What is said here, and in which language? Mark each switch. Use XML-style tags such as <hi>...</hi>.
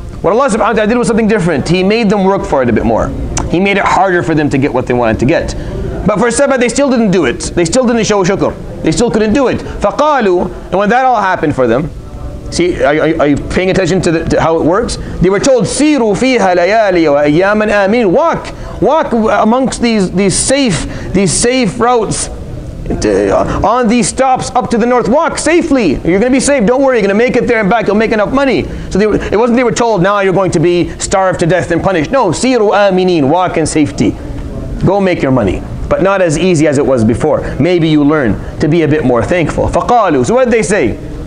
<en>What Allah subhanahu wa ta'ala did was something different. He made them work for it a bit more. He made it harder for them to get what they wanted to get. But for Saba, they still didn't do it. They still didn't show shukr. They still couldn't do it.</en> <ar>فَقَالُوا</ar> <en>And when that all happened for them, see, are you paying attention to how it works? They were told,</en> <ar>سِيرُوا فِيهَا لَيَالِيَ وَأَيَّامًا آمِينَ</ar> <en>Walk! Walk amongst these safe routes. On these stops up to the north, walk safely. You're going to be safe. Don't worry. You're going to make it there and back. You'll make enough money. So they were told, now you're going to be starved to death and punished. No,</en> <ar>siru aminin,</ar> <en>walk in safety. Go make your money. But not as easy as it was before. Maybe you learn to be a bit more thankful. Faqalu. So what did they say?</en>